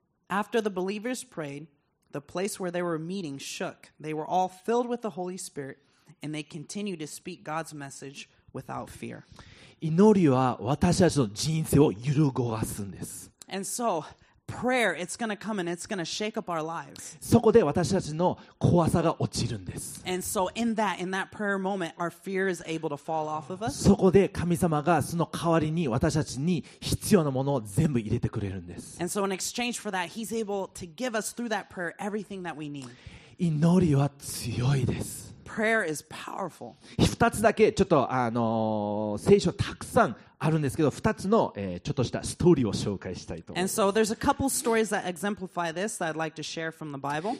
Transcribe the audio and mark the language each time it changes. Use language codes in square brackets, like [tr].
[en] After the believers prayed, the place where they were meeting shook. They were all filled with the Holy Spirit, and they continued to speak God's message without fear. [ja] 祈りは私たちの人生を揺るごわすんです。 [en] And so, prayer, it's going to come and it's going to shake up our lives. [ja] そこで私たちの怖さが落ちるんです。 [en] And so in that prayer moment, our fear is able to fall off of us. [ja] そこで神様がその代わりに私たちに必要なものを全部入れてくれるんです。 [en] And so in exchange for that, he's able to give us through that prayer everything that we need. [ja] 祈りは強いです。 [en] Prayer is powerful. [ja] 2つだけちょっと聖書たくさんあるんですけど、2つの、ちょっとしたストーリーを紹介したいと思います。 [en] And so there's a couple stories that exemplify this that I'd like to share from the Bible.